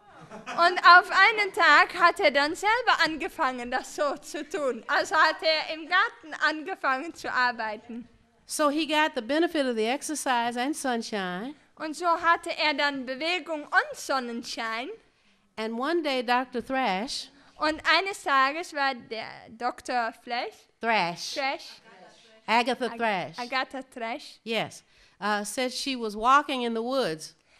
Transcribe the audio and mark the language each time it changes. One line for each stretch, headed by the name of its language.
German: Und auf einen Tag hat er dann selber angefangen, das so zu tun. Also hat er im Garten angefangen zu arbeiten.
English: So he got the benefit of the exercise and sunshine.
German: Und so hatte er dann Bewegung und Sonnenschein.
English: And one day Dr. Thrash.
German: Und eines Tages war der Dr. Flash.
English: Thrash. Agatha Thrash. Yes. Said she was walking in the woods.